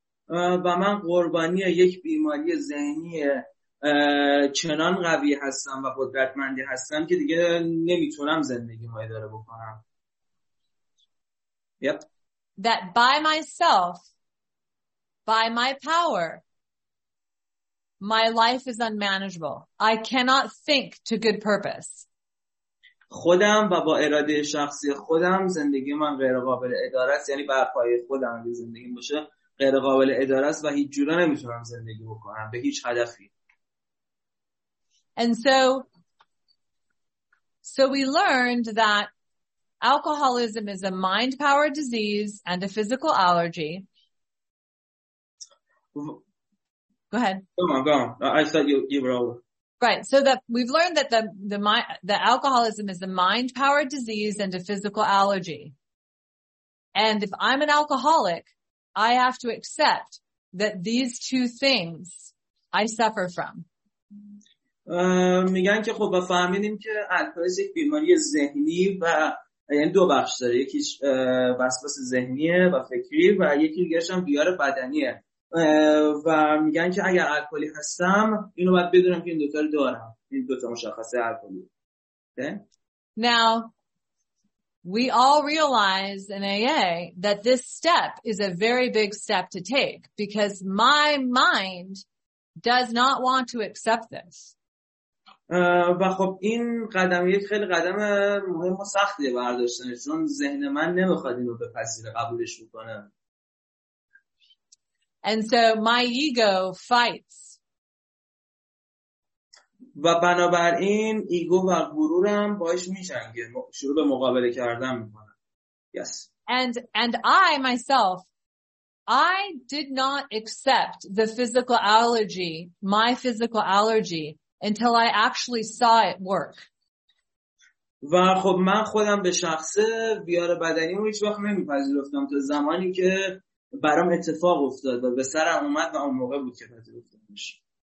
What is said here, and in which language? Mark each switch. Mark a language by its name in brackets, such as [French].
[Persian] و من قربانی یک بیماری ذهنی چنان قوی هستم و قدرتمندی هستم که دیگه نمیتونم زندگی ما اداره بکنم. [English] Yep. That by myself, by my power, my life is unmanageable. I cannot think to good purpose. [Persian] خودم و با اراده شخصی خودم زندگی من غیر قابل اداره است. یعنی بر پای خودم اگه زندگی باشه غیر قابل اداره است و هیچ جوره نمیتونم زندگی بکنم به هیچ هدفی. [English] And so we learned that alcoholism is a mind power disease and a physical allergy. Go ahead. Go on. I thought you were over. Right. So that we've learned that the alcoholism is a mind power disease and a physical allergy. And if I'm an alcoholic, I have to accept that these two things I suffer from. [Persian] میگن که خب فهمیدیم که الکلیز یک بیماری ذهنی و یعنی دو بخش داره، یکیش وسواس ذهنیه و فکری و یکی دیگرش هم بیمار بدنیه و میگن که اگر الکلی هستم اینو باید بدونم که این دوتا رو دارم، این دوتا مشخصه الکلی. [English] Now we all realize in AA that this step is a very big step to take because my mind does not want to accept this. [Persian] و خب این قدم یک خیلی قدم مهم و سختیه برداشتنه چون ذهن من نمیخواد اینو بپذیره قبولش بکنه. [English] And so my ego fights. [Persian] و بنابراین ایگو و غرورم باهاش میجنگه، شروع به مقابله کردن میکنه. [English] Yes. And I myself I did not accept the physical allergy, my physical allergy until I actually saw it work. [Persian] و خب من خودم به شخصه ویار بدنی رو هیچ وقت نمیپذیرفتم تا زمانی که برام اتفاق افتاد و به سرم اومد و اون موقع بود که پذیرفتمش.